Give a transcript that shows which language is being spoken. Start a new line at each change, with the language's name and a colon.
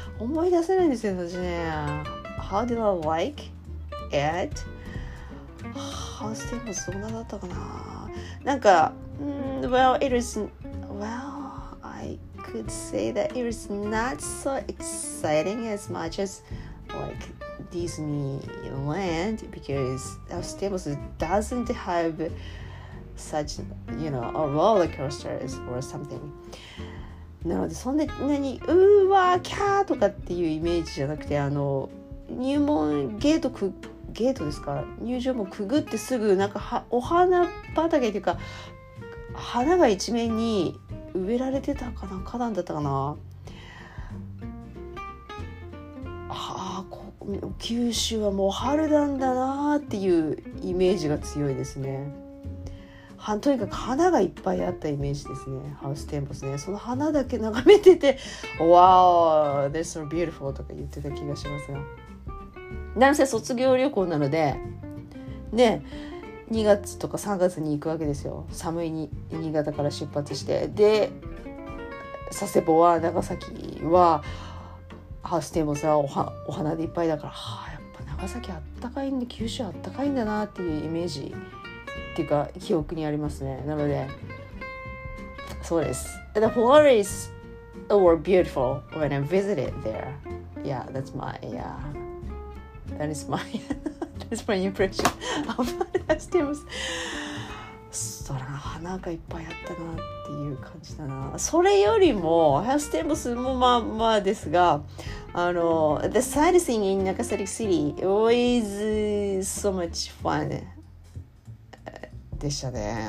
Japanese: 思い出せないんですよ、私ね。
English: How did I like it?
Japanese: ハウステンボスどんなだったかな?
English: なんか、 I could say that it was not so exciting as much as like Disneyland because ハウステンボス doesn't haveSuch, you know, a roller coaster is or something.
Japanese: なのでそんなにうーわーキャーとかっていうイメージじゃなくて、あの入門ゲートくゲートですか、入場もくぐってすぐなんかお花畑っていうか花が一面に植えられてたかな、花壇だったかな。ああ、九州はもう春なんだなっていうイメージが強いですね。とにかく花がいっぱいあったイメージですね、ハウステンボスね。その花だけ眺めてて、 Wow, this is so beautiful とか言ってた気がしますが、なんせ卒業旅行なのでね、2月とか3月に行くわけですよ。寒いに新潟から出発して、で佐世保は長崎はハウステンボスは お花でいっぱいだから、はあ、やっぱ長崎あったかいんで、九州あったかいんだなっていうイメージっていうか記憶にありますね。なのでそうです。
English: The flowers were beautiful when I visited there. Yeah, that's my that is my impression of Hastings.
Japanese: そら花がいっぱいあったなっていう感じだな。
English: それよりも Hastings もまあまあですが、あの The sightseeing in Nagasaki City was so much fun でしたね。